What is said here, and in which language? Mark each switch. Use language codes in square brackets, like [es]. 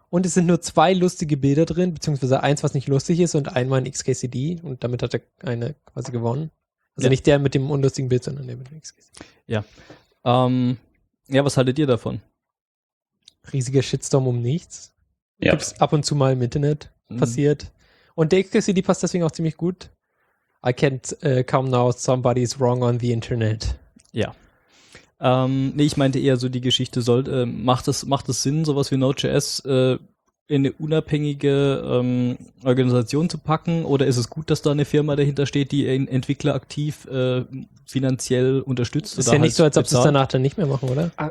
[de] Und es sind nur 2 lustige Bilder drin, beziehungsweise 1, was nicht lustig ist und einmal ein XKCD und damit hat er eine quasi gewonnen. Also ja. Nicht der mit dem unlustigen Bild, sondern der mit dem XKCD. Ja. Was haltet ihr davon? Riesiger Shitstorm um nichts. Ja. Gibt's ab und zu mal im Internet passiert. Und der XKCD passt deswegen auch ziemlich gut. [en] I can't come now, somebody's wrong on the internet. [de] Ja. Ich meinte eher so die Geschichte, macht es Sinn, sowas wie Node.js in eine unabhängige Organisation zu packen? Oder ist es gut, dass da eine Firma dahinter steht, die Entwickler aktiv finanziell unterstützt? Ist ja nicht so, als ob sie es danach dann nicht mehr machen, oder?